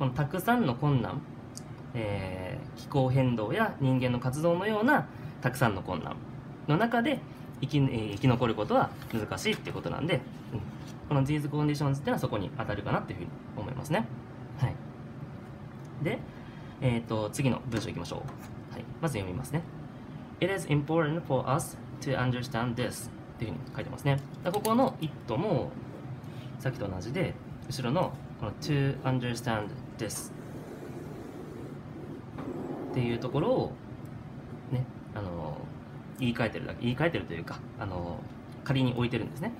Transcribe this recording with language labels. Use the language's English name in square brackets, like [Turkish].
[Japanese] このたくさんの困難、気候変動や人間の活動のようなたくさんの困難の中で生き残ることは難しいっていうことなんで、うん、この [English] these conditions [Japanese] っていうのはそこに当たるかなっていうふうに思いますね。はい、で、次の文章いきましょう。はい、まず読みますね。 [English] It is important for us to understand this [Japanese] っていうふうに書いてますね。ここの it もさっきと同じで後ろのこの [English] to understand this [Japanese] っていうところをね、言い換えてるだけ、言い換えてるというか、仮に置いてるんですね。